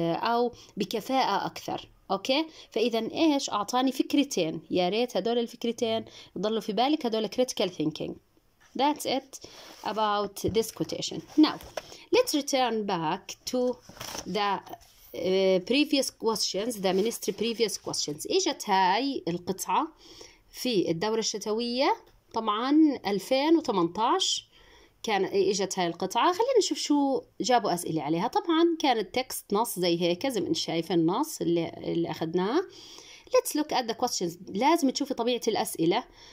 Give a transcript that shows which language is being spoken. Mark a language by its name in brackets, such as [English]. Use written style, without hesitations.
[Arabic] او بكفاءة اكثر، اوكي؟ فاذا ايش اعطاني فكرتين، يا ريت هذول الفكرتين يضلوا في بالك، هذول critical thinking. [English] That's it about this quotation. Now let's return back to the previous questions, the ministry previous questions. [Arabic] اجت هاي القطعة في الدورة الشتوية طبعا 2018، كان اجت هاي القطعة، خلينا نشوف شو جابوا أسئلة عليها. طبعا كان التكست نص زي هيك، زي ما انت شايفة النص اللي أخذناه. [English] Let's look at the questions، [Arabic] لازم تشوفي طبيعة الأسئلة.